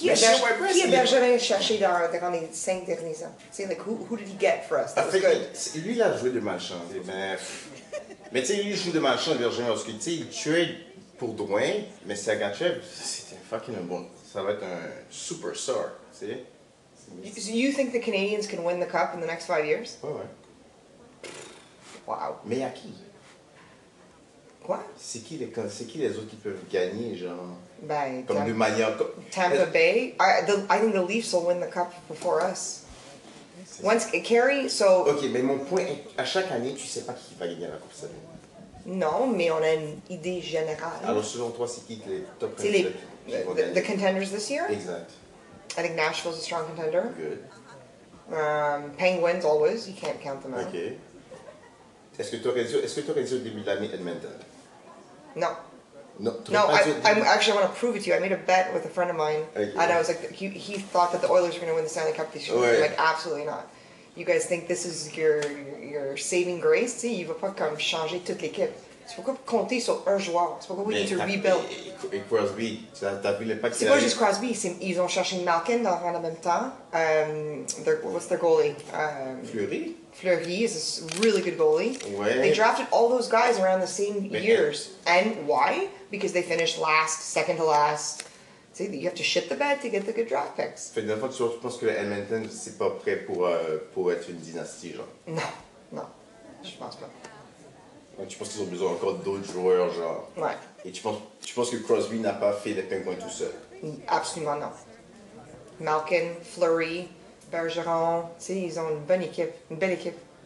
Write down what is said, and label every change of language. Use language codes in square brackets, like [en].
[fr] a Bergevin cherché dans les cinq derniers ans? C'est [en] like, who did he get for us? That was good. [fr] Lui, il a joué de malchance, mais tu sais, lui joue de malchance, Bergevin, parce que tu sais, il tue pour Drouin, mais Sergachev, c'était fucking un bon. Ça va être un superstar, tu sais. [en] So you think the Canadians can win the cup in the next 5 years? [fr] Ouais, ouais. Wow. Mais à qui? Quoi? C'est qui les autres qui peuvent gagner, genre? Ben, comme de manière. Tampa Bay? [en] I think the Leafs will win the cup before us. Once Carey, so. [fr] Ok, mais mon point est, à chaque année, tu sais pas qui va gagner la Coupe Stanley. Non, mais on a une idée générale. Alors, selon toi, c'est qui les top [en] players? [fr] C'est les [en] contenders this year? [fr] Exact. [en] I think Nashville's a strong contender. Good. Penguins, always. You can't count them out. Ok. [fr] Est-ce que tu aurais dit au début de l'année Edmonton? Non. [en] No, I want to prove it to you. I made a bet with a friend of mine, okay. And I was like, he thought that the Oilers were going to win the Stanley Cup this year. [fr] Ouais. [en] Like, absolutely not. You guys think this is your saving grace? [fr] Tu sais, il va pas comme changer toute l'équipe. C'est pourquoi compter sur un joueur. C'est pourquoi [en] we need to rebuild. [fr] Et Crosby, t'as vu l'impact. C'est pas juste Crosby. Ils ont cherché Malkin dans le même temps. [en] What's their goalie? Fleury is a really good goalie. [fr] Ouais. [en] They drafted all those guys around the same years. And why? Because they finished last, second to last. See, you have to shit the bed to get the good draft picks. [fr] Fait d'un fois, tu penses que Edmonton, c'est pas prêt pour être une dynastie, genre? Non, je pense pas. Ouais, tu penses qu'ils ont besoin encore d'autres joueurs, genre? Ouais. Et tu penses que Crosby n'a pas fait les pingouins tout seul? Absolument non. Malkin, Fleury, Bergeron, tu sais, ils ont une bonne équipe, une belle équipe.